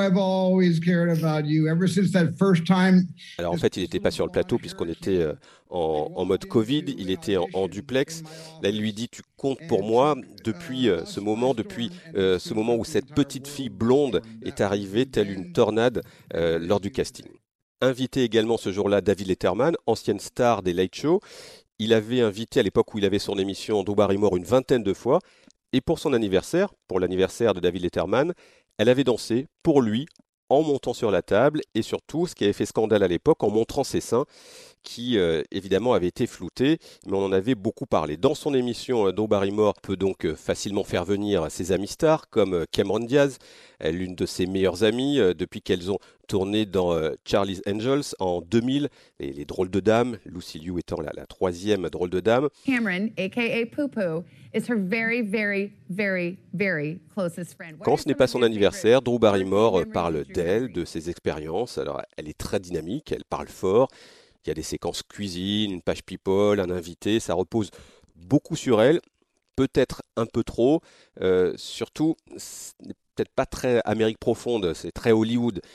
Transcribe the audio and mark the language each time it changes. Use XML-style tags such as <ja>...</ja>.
<en>I've always cared about you. Ever since that first time.</en> <fr>Alors en fait, il n'était pas sur le plateau puisqu'on était en mode Covid. Il était en duplex. Là, il lui dit, tu comptes pour moi depuis ce moment, depuis ce moment où cette petite fille blonde est arrivée telle une tornade lors du casting. Invité également ce jour-là, David Letterman, ancienne star des Late Show. Il avait invité à l'époque où il avait son émission Drew Barrymore une vingtaine de fois. Et pour son anniversaire, pour l'anniversaire de David Letterman, elle avait dansé pour lui en montant sur la table et surtout, ce qui avait fait scandale à l'époque, en montrant ses seins qui, évidemment, avaient été floutés, mais on en avait beaucoup parlé. Dans son émission, Drew Barrymore peut donc facilement faire venir ses amis stars comme Cameron Diaz, l'une de ses meilleures amies depuis qu'elles ont tourné dans Charlie's Angels en 2000, et les drôles de dames, Lucy Liu étant la troisième drôle de dame.</fr> <en>Cameron, aka Poo Poo, is her very, very, very, very closest friend.</en> <fr>Quand ce n'est pas son anniversaire, Drew Barrymore parle d'elle, de ses expériences. Alors, elle est très dynamique, elle parle fort. Il y a des séquences cuisine, une page people, un invité. Ça repose beaucoup sur elle, peut-être un peu trop. Surtout, ce n'est peut-être pas très Amérique profonde, c'est très Hollywood.</fr>